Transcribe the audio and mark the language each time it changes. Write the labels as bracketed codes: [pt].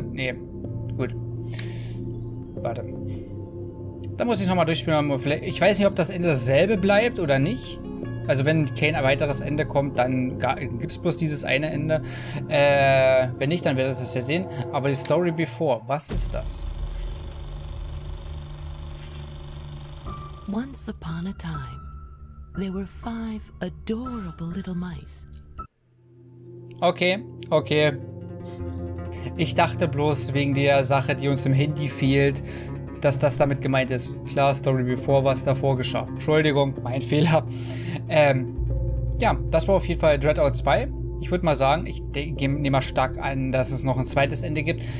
[de] Nee, gut. Warte. Da muss ich es nochmal durchspielen. Vielleicht, ich weiß nicht, ob das Ende dasselbe bleibt oder nicht. Also wenn kein weiteres Ende kommt, dann gibt es bloß dieses eine Ende. Wenn nicht, dann werdet ihr es ja sehen. Aber die Story Before, was ist das? [en] Once upon a time, there were five adorable little mice. Okay, okay. [de] Ich dachte bloß wegen der Sache, die uns im Handy fehlt, dass das damit gemeint ist. Klar, Story Before, was davor geschah. Entschuldigung, mein Fehler. Ja, das war auf jeden Fall Dreadout 2. Ich würde mal sagen, ich nehme mal stark an, dass es noch ein zweites Ende gibt.